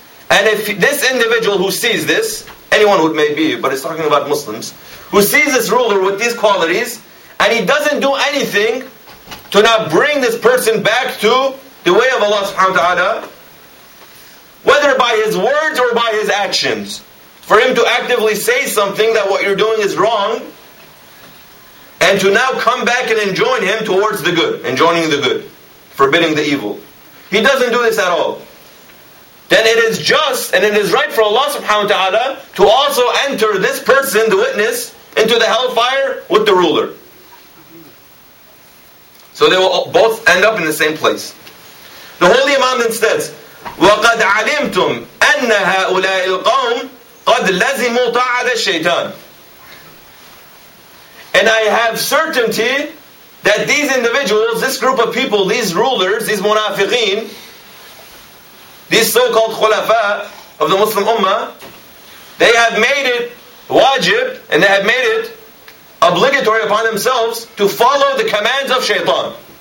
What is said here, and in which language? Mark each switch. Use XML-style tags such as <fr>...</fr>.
<en>And if this individual who sees this, anyone who it may be, but it's talking about Muslims, who sees this ruler with these qualities, and he doesn't do anything to now bring this person back to the way of Allah subhanahu wa ta'ala, whether by his words or by his actions, for him to actively say something that what you're doing is wrong, and to now come back and enjoin him towards the good, enjoining the good, forbidding the evil. He doesn't do this at all. then it is just and it is right for Allah subhanahu wa ta'ala to also enter this person, the witness, into the hellfire with the ruler. So they will both end up in the same place. The Holy Imam then says,</en> <ar>وَقَدْ عَلِمْتُمْ أَنَّ هَؤُلَاءِ الْقَوْمِ قَدْ لَزِمُوا طَاعَةَ الشَّيْطَانِ.</ar> <en>And I have certainty that these individuals, this group of people, these rulers, these munafiqeen, these so-called khulafa of the Muslim ummah, they have made it wajib and they have made it obligatory upon themselves to follow the commands of shaitan.</en>